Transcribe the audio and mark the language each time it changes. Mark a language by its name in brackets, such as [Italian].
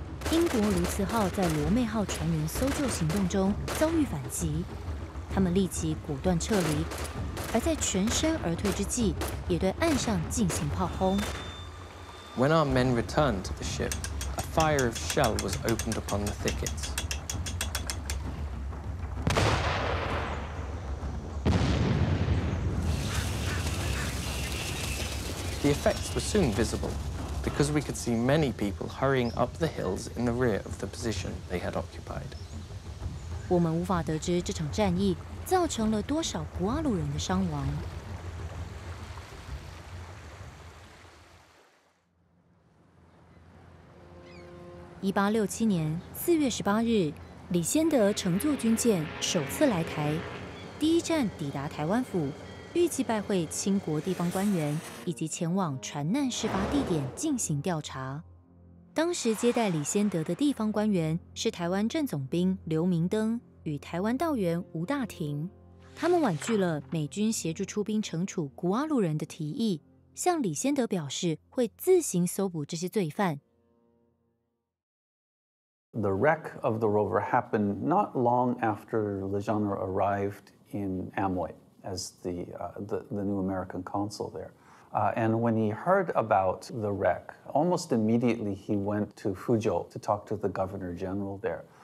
[Chinese] 英国卢茨号在罗妹号船员搜救行动中遭遇反击，他们立即果断撤离，而在全身而退之际，也对岸上进行炮轰。 [English] When our men returned to the ship. A fire of shell was opened upon the thickets. The effects were soon visible because we could see many people hurrying up the hills in the rear of the position they had occupied. [Chinese] 我们无法得知这场战役造成了多少古阿鲁人的伤亡。 1867年4月18日，李先德乘坐军舰首次来台，第一站抵达台湾府，预计拜会清国地方官员，以及前往船难事发地点进行调查。当时接待李先德的地方官员是台湾正总兵刘明登，与台湾道员吴大廷，他们婉拒了美军协助出兵惩处古阿鲁人的提议，向李先德表示会自行搜捕这些罪犯。 [English] The wreck of the rover happened not long after Legendre arrived in Amoy as the new American consul there. And when he heard about the wreck, almost immediately he went to Fuzhou to talk to the governor general there.